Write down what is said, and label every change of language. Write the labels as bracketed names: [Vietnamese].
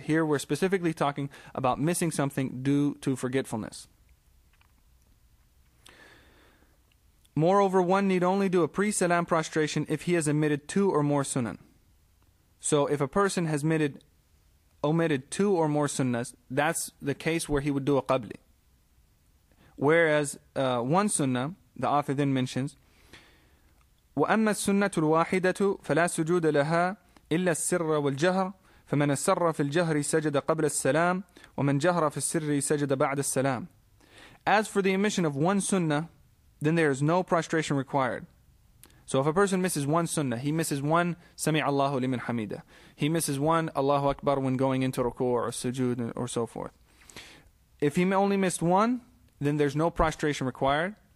[English] Here we're specifically talking about missing something due to forgetfulness. Moreover, one need only do a pre-salam prostration if he has omitted two or more sunan. So if a person has omitted two or more sunnahs, that's the case where he would do a qabli. Whereas one sunnah, the author then mentions, [Arabic] وَأَمَّا السُنَّةُ الْوَاحِدَةُ فَلَا سُجُودَ لَهَا إِلَّا السِّرَّ وَالْجَهْرَ فَمَنْ السَّرَّ فِي الْجَهْرِ سَجَدَ قَبْلَ السَّلَامِ وَمَنْ جَهْرَ فِي السِّرِّ سَجَدَ بَعْدَ السَّلَامِ. [English] As for the omission of one sunnah, then there is no prostration required. So if a person misses one sunnah, he misses one [Arabic] سَمِعَ اللَّهُ لِمِنْ حَمِيدَ, [English] he misses one Allahu Akbar when going into ruku' or sujood or so forth. If he only missed one, then there's no prostration required.